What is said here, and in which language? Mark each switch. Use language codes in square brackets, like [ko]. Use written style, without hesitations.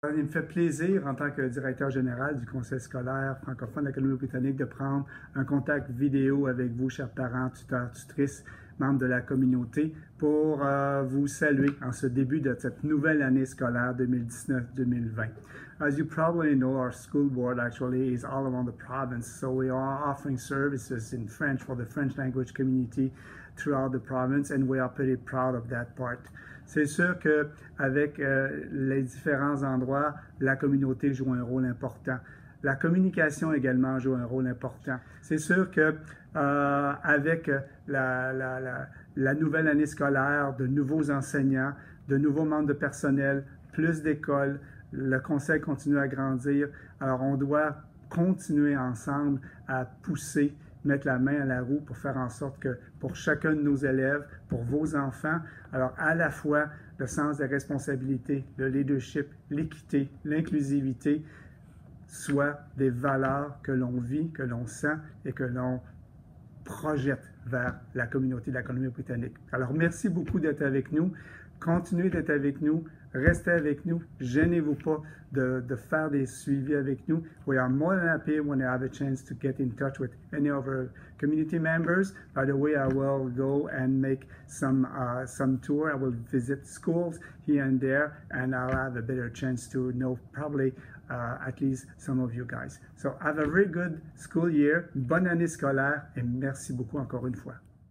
[fr] Il me fait plaisir, en tant que directeur général du Conseil scolaire francophone de la Colombie-Britannique, de prendre un contact vidéo avec vous, chers parents, tuteurs, tutrices, membres de la communauté, pour vous saluer en ce début de cette nouvelle année scolaire 2019-2020. [en] As you probably know, our school board actually is all around the province, so we are offering services in French for the French language community throughout the province, and we are pretty proud of that part. [fr] C'est sûr qu'avec les différents endroits, la communauté joue un rôle important. La communication également joue un rôle important. C'est sûr que avec la nouvelle année scolaire, de nouveaux enseignants, de nouveaux membres de personnel, plus d'écoles, le conseil continue à grandir. Alors, on doit continuer ensemble à pousser, mettre la main à la roue pour faire en sorte que pour chacun de nos élèves, pour vos enfants, alors à la fois le sens des responsabilités, le leadership, l'équité, l'inclusivité soient des valeurs que l'on vit, que l'on sent et que l'on projette vers la communauté de la Colombie-Britannique. Alors merci beaucoup d'être avec nous. Continuez d'être avec nous. Restez avec nous. Gênez-vous pas de faire des suivis avec nous. [en] We are more than happy when I have a chance to get in touch with any of our community members. By the way, I will go and make some tour. I will visit schools here and there, and I'll have a better chance to know probably at least some of you guys. So have a very good school year. [fr] Bonne année scolaire et merci beaucoup encore une fois.